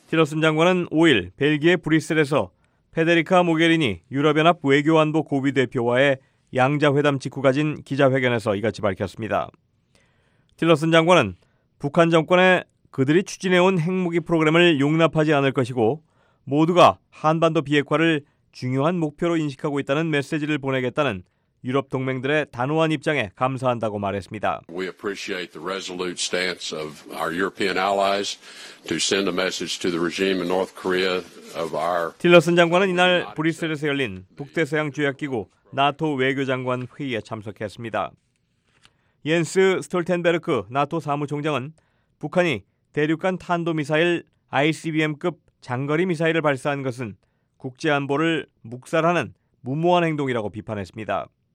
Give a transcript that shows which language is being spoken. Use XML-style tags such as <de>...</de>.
<ko>틸러슨 장관은 5일 벨기에 브뤼셀에서 페데리카 모게리니 유럽연합 외교안보 고위 대표와의 양자 회담 직후 가진 기자회견에서 이같이 밝혔습니다. 틸러슨 장관은 북한 정권에 그들이 추진해 온 핵무기 프로그램을 용납하지 않을 것이고 모두가 한반도 비핵화를 중요한 목표로 인식하고 있다는 메시지를 보내겠다는 유럽 동맹들의 단호한 입장에 감사한다고 말했습니다.</ko> <en>We appreciate the resolute stance of our European allies to send a message to the regime in North Korea of our.</en> <ko>틸러슨 장관은 이날 브뤼셀에서 열린 북대서양 조약기구 나토 외교장관 회의에 참석했습니다. 옌스 스톨텐베르크 나토 사무총장은 북한이 대륙간 탄도미사일 ICBM급 장거리 미사일을 발사한 것은 국제안보를 묵살하는 무모한 행동이라고 비판했습니다.</ko>